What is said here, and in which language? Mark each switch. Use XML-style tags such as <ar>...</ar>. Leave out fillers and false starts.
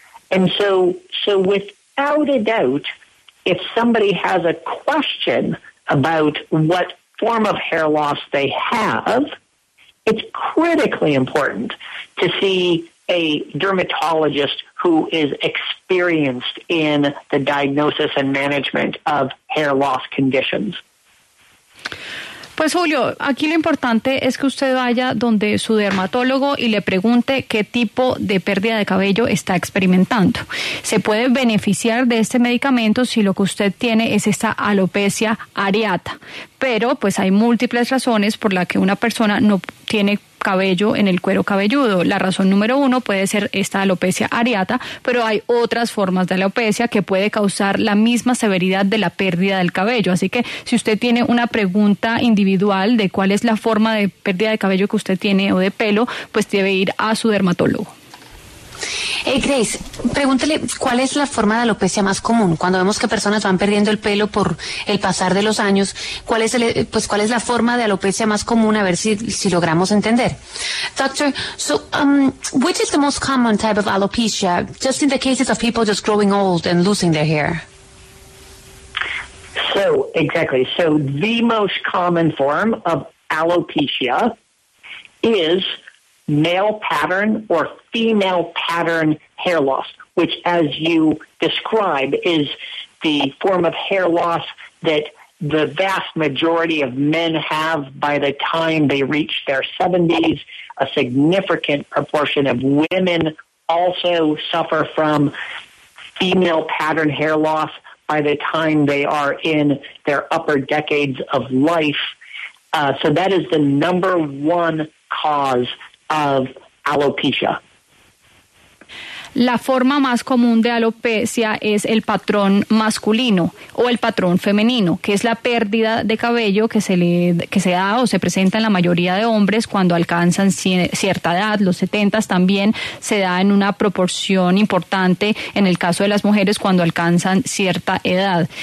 <en>And so without a doubt, if somebody has a question about what form of hair loss they have, it's critically important to see a dermatologist who is experienced in the diagnosis and management of hair loss conditions.</en> <es>Pues Julio, aquí lo importante es que usted vaya donde su dermatólogo y le pregunte qué tipo de pérdida de cabello está experimentando. Se puede beneficiar de este medicamento si lo que usted tiene es esta alopecia areata, pero pues hay múltiples razones por las que una persona no tiene cabello en el cuero cabelludo. La razón número uno puede ser esta alopecia areata, pero hay otras formas de alopecia que puede causar la misma severidad de la pérdida del cabello. Así que si usted tiene una pregunta individual de cuál es la forma de pérdida de cabello que usted tiene o de pelo, pues debe ir a su dermatólogo. Hey Grace, pregúntele cuál es la forma de alopecia más común. Cuando vemos que personas van perdiendo el pelo por el pasar de los años, ¿cuál es la forma de alopecia más común? A ver si logramos entender.</es> <en>Doctor, so which is the most common type of alopecia, just in the cases of people just growing old and losing their hair? So exactly. So the most common form of alopecia is male pattern or female pattern hair loss, which, as you describe, is the form of hair loss that the vast majority of men have by the time they reach their 70s. A significant proportion of women also suffer from female pattern hair loss by the time they are in their upper decades of life. So that is the number one cause of alopecia.</en> <es>La forma más común de alopecia es el patrón masculino o el patrón femenino, que es la pérdida de cabello que se da o se presenta en la mayoría de hombres cuando alcanzan cierta edad. Los 70 también se da en una proporción importante en el caso de las mujeres cuando alcanzan cierta edad.</es>